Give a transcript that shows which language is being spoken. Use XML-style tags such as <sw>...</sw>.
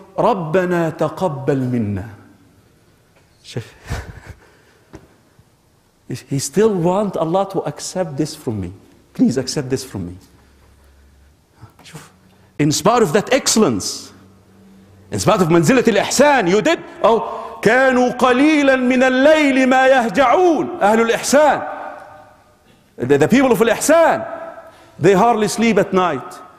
<ar>Rabbana taqabbal minna.</ar> <en>He still wants Allah to accept this from me. Please accept this from me. In spite of that excellence, in spite of manzilat al-ihsan, you did?</en> <ar>Oh, كانوا قليلا من الليل ما يهجعون أهل الإحسان.</ar> <en>The people of الإحسان, they hardly sleep at night.</en>